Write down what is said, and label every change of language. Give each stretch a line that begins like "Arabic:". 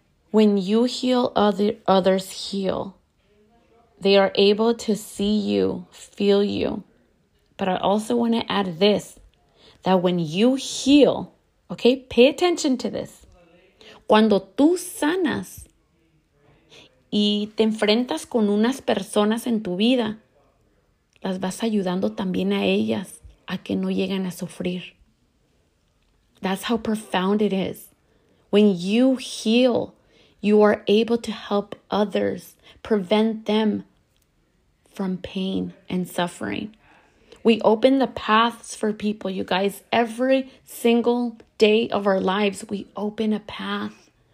English: When you heal, others heal. They are able to see you, feel you. But I also want to add this, that when you heal, okay, pay attention to this.
Spanish: Cuando tú sanas y te enfrentas con unas personas en tu vida, las vas ayudando también a ellas a que no lleguen a sufrir.
English: That's how profound it is. When you heal, you are able to help others, prevent them from pain and suffering. We open the paths for people, you guys. Every single day of our lives, we open a path.